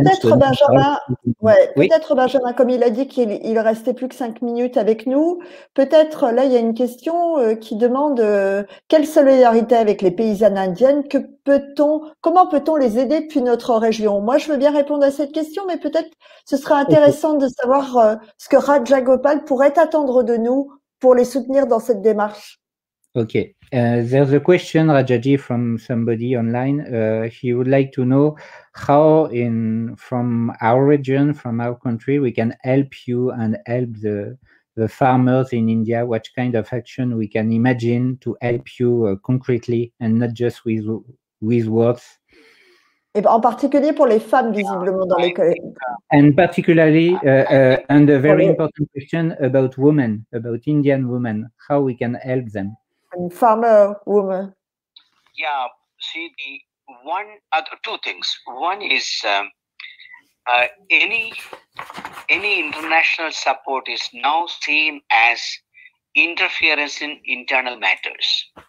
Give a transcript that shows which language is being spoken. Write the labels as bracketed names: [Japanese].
[French] Peut-être Benjamin, comme il a dit qu'il restait plus que 5 minutes avec nous, peut-être là il y a une question qui demande quelle solidarité avec les paysannes indiennes, comment peut-on les aider depuis notre région? Moi je veux bien répondre à cette question, mais peut-être ce serait intéressant de savoir ce que Radia Gopal pourrait attendre de nous pour les soutenir dans cette démarche. [English] Ok, there's a question, Rajaji, from somebody online. He would like to know how, from our region, from our country, we can help you and help the the farmers in India, what kind of action we can imagine to help you concretely and not just with words. [French] Et en particulier pour les femmes, visiblement, dans les collègues. [English] And particularly, and a very important question about women, about Indian women, how we can help them. And farmer women. Yeah, see, the one other two things. One is any international support is now seen as interference in internal matters.